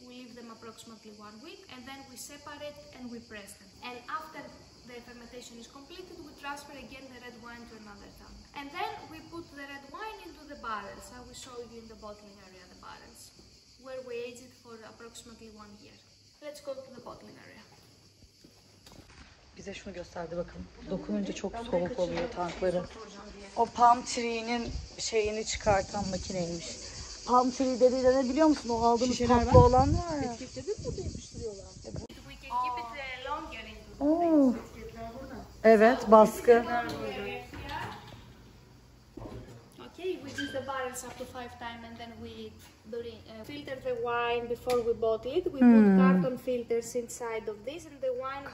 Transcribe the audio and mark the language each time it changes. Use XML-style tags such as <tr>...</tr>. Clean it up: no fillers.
<en>We leave them approximately 1 week and then we separate and we press them. And after the fermentation is completed, we transfer again the red wine to another tank. And then we put the red wine into the barrels. I will show you in the bottling area the barrels, where we age it for approximately 1 year. Let's go to the bottling area.</en> <tr>Bize şunu gösterdi bakın. Dokununca çok soğuk oluyor tankları. O palm tree'nin şeyini çıkartan makineymiş. Palm tree dedi de ne biliyor musun? O aldığımız şişeler tatlı olan var ya. Etiketleri burada yapıştırıyorlar. Oh. Evet, baskı.</tr> <en>Okay, we use the barrels up to 5 times and then we filter the wine before we bottle it. We put carton filters inside of this and the wine</en>